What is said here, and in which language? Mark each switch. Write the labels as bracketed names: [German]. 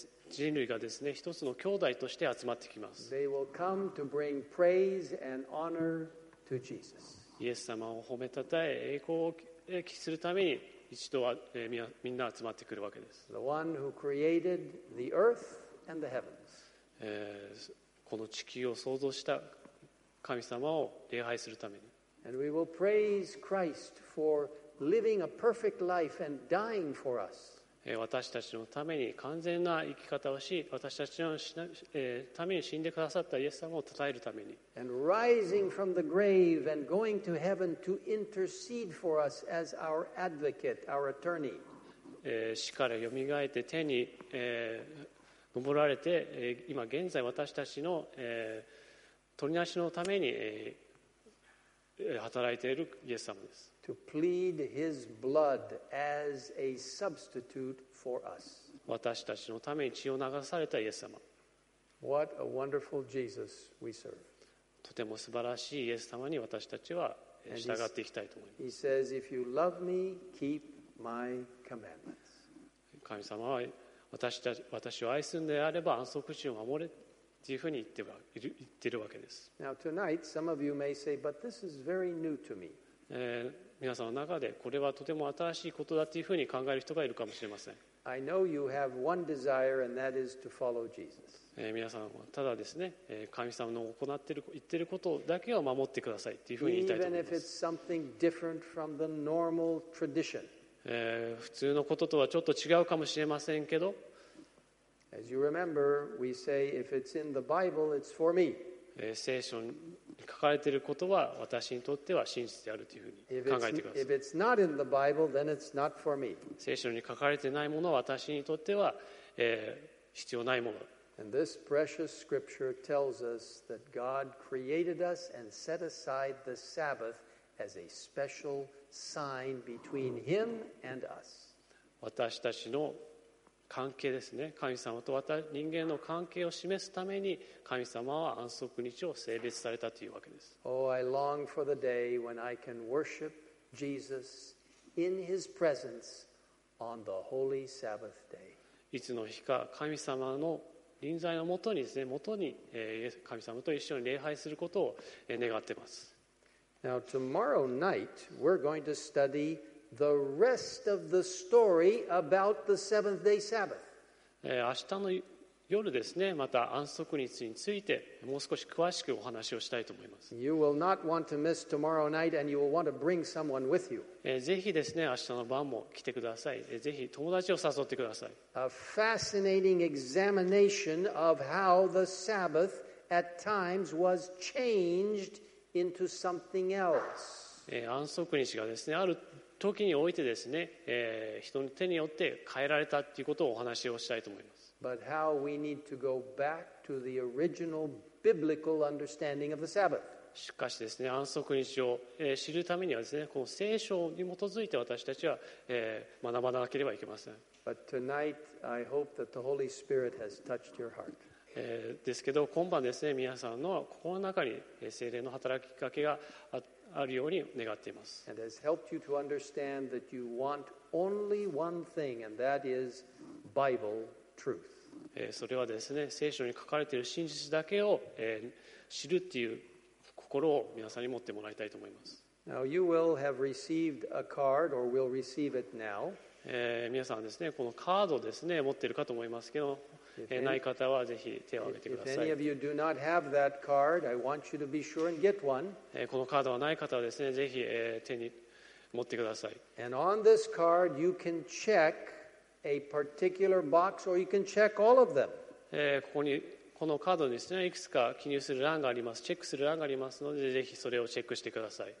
[Japanese] 人類がですね、一つの兄弟として集まってきます。 [English] They will come to bring praise and honor to Jesus. [Japanese] イエス様を褒めたたえ、栄光を期するために一度はみんな集まってくるわけです。 [English] The one who created the earth and the heavens. [Japanese] この地球を創造した神様を礼拝するために。 [English] And we will praise Christ for living a perfect life and dying for us. [Japanese] 私たちのために完全な生き方をし、私たちのために死んでくださったイエス様を称えるために。 [English] And rising from the grave and going to heaven to intercede for us as our advocate, our attorney. [Japanese] 死からよみがえって天に昇られて、今現在私たちの取りなしのために働いているイエス様です。 [English] To plead his blood as a substitute for us. [Japanese] 私たちのために血を流されたイエス様。 [English] What a wonderful Jesus we serve. [Japanese] とても素晴らしいイエス様に私たちは従っていきたいと思います。 [English] He says, if you love me, keep my commandments. [Japanese] 神様は私を愛すんであれば安息日を守れ。というふうに言っているわけです。 [English] Now tonight, some of you may say, but this is very new to me. [Japanese] 皆さんの中でこれはとても新しいことだというふうに考える人がいるかもしれません。 [English] I know you have one desire, and that is to follow Jesus. [Japanese] 皆さんはただですね、神様の言っていることだけを守ってくださいというふうに言いたいと思います。 [English] Even if it's something different from the normal tradition. [Japanese] 普通のこととはちょっと違うかもしれませんけど。 [English] As you remember, we say if it's in the Bible, it's for me. [Japanese] 聖書に書かれていることは私にとっては真実であるというふうに考えてください。 [English] If it's not in the Bible, then it's not for me. [Japanese] 聖書に書かれていないものは私にとっては必要ないもの。 [English] And this precious scripture tells us that God created us and set aside the Sabbath as a special sign between Him and us. [Japanese] 私たちの関係ですね。神様と人間の関係を示すために神様は安息日を聖別されたというわけです。 [English] Oh, I long for the day when I can worship Jesus in His presence on the holy Sabbath day. [Japanese] いつの日か神様の臨在のもとにですね、もとに神様と一緒に礼拝することを願っています。 [English] Now, tomorrow night, we're going to study. The rest of the story about the seventh day Sabbath. [Japanese] 明日の夜ですね、また安息日についてもう少し詳しくお話をしたいと思います。 [English] You will not want to miss tomorrow night, and you will want to bring someone with you. [Japanese] ぜひですね、明日の晩も来てください。ぜひ友達を誘ってください。 [English] A fascinating examination of how the Sabbath at times was changed into something else. [Japanese] 安息日がですね、ある時においてですね、人の手によって変えられたということをお話をしたいと思います。 [English] But how we need to go back to the original biblical understanding of the Sabbath. [Japanese] しかしですね、安息日を知るためにはですね、この聖書に基づいて私たちは学ばなければいけません。 [English] But tonight, I hope that the Holy Spirit has touched your heart. [Japanese] ですけど、今晩ですね、皆さんの心の中に聖霊の働きかけがあるように願っています。 [English] And has helped you to understand that you want only one thing, and that is Bible truth. [Japanese] それはですね、聖書に書かれている真実だけを、知るっていう心を皆さんに持ってもらいたいと思います。 [English] Now you will have received a card or will receive it now. [Japanese] 皆さんですね、このカードですね、持っているかと思いますけど、ない方はぜひ手を挙げてください。 [English] If any of you do not have that card, I want you to be sure and get one. [Japanese] このカードがない方はですね、ぜひ、手に持ってください。 [English] And on this card you can checkA particular box, or you can check all of them. [Japanese] ここにこのカードにですね、いくつか記入する欄があります。チェックする欄がありますので、ぜひそれをチェックしてください。